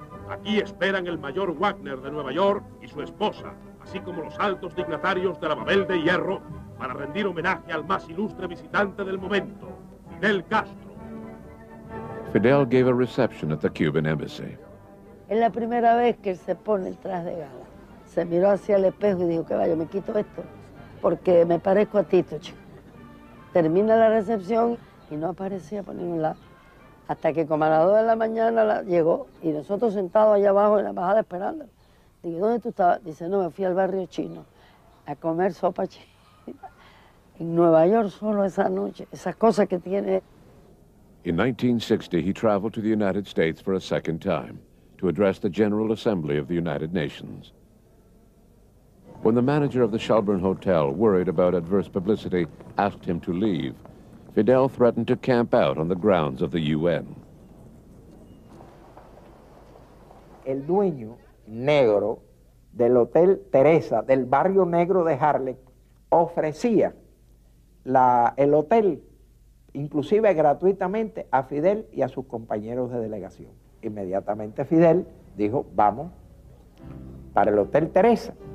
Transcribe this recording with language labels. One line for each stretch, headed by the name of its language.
Spanish: Aquí esperan el mayor Wagner de Nueva York y su esposa, así como los altos dignatarios de la Babel de Hierro, para rendir homenaje al más ilustre visitante del momento, Fidel Castro.
English: Fidel gave a reception at the Cuban embassy.
Spanish: Es la primera vez que él se pone el traje de gala. Se miró hacia el espejo y dijo, que vaya, me quito esto, porque me parezco a Tito, chico. Termina la recepción y no aparecía por ningún lado. Hasta que como a las 2 de la mañana llegó y nosotros sentados allá abajo en la embajada esperando. Dije, ¿dónde tú estabas? Dice, no, me fui al barrio chino a comer sopa china. En Nueva York solo esa noche, esas cosas que tiene.
English: In 1960, he traveled to the United States for a second time to address the General Assembly of the United Nations. When the manager of the Shelburne Hotel, worried about adverse publicity, asked him to leave, Fidel threatened to camp out on the grounds of the UN.
Spanish: El dueño negro del Hotel Teresa, del barrio negro de Harlem, ofrecía el hotel, inclusive gratuitamente, a Fidel y a sus compañeros de delegación. Inmediatamente Fidel dijo, vamos para el Hotel Teresa.